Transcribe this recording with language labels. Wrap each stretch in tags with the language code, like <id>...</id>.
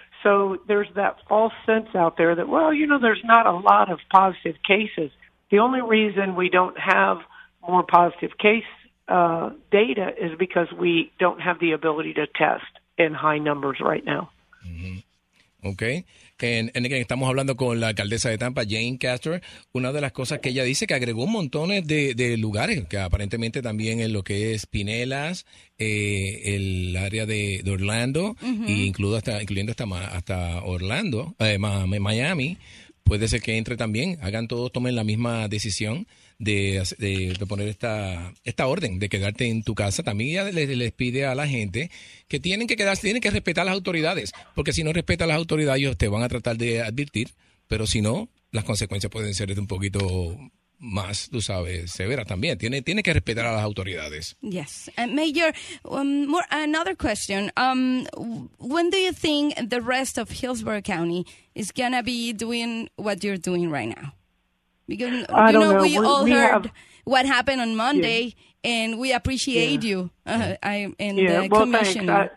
<en>So there's that false sense out there that, well, you know, there's not a lot of positive cases. The only reason we don't have more positive case data is because we don't have the ability to test in high numbers right now. Okay. And again,</en> <es>estamos hablando con la alcaldesa de Tampa, Jane Castor. Una de las cosas que ella dice que agregó un montón de lugares, que aparentemente también en lo que es Pinellas, el área de Orlando, incluyendo hasta Orlando, Miami, puede ser que entre también, hagan todos, tomen la misma decisión de poner esta orden de quedarte en tu casa. También ya les pide a la gente que tienen que quedarse, tienen que respetar a las autoridades, porque si no respetan a las autoridades, ellos te van a tratar de advertir, pero si no, las consecuencias pueden ser de un poquito más, tú sabes, severas también. Tiene que respetar a las autoridades.</es> <en>Yes. Major, another question. When do you think the rest of Hillsborough County is going to be doing what you're doing right now? Because, we heard what happened on Monday, and we appreciate you commissioner.</en>